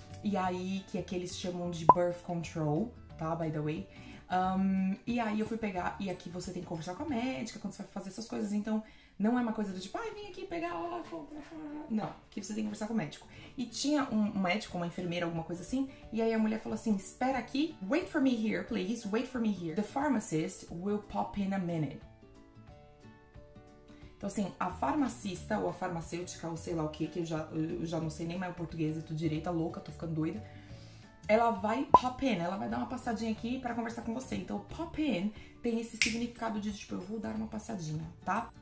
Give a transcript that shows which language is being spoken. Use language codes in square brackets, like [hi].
[pt] E aí, que é que eles chamam de birth control, tá, [en] by the way. [pt] E aí eu fui pegar, e aqui você tem que conversar com a médica quando você vai fazer essas coisas, então. Não é uma coisa do tipo, ai, vim aqui pegar óculos. Não, que você tem que conversar com o médico. E tinha um médico, uma enfermeira, alguma coisa assim, e aí a mulher falou assim: espera aqui. [en] Wait for me here, please. Wait for me here. The pharmacist will pop in a minute. [pt] Então, assim, a farmacista ou a farmacêutica, ou sei lá o que, que eu já não sei nem mais o português, eu tô direita, louca, tô ficando doida. Ela vai pop in, ela vai dar uma passadinha aqui para conversar com você. Então, pop in tem esse significado de tipo, eu vou dar uma passadinha, tá?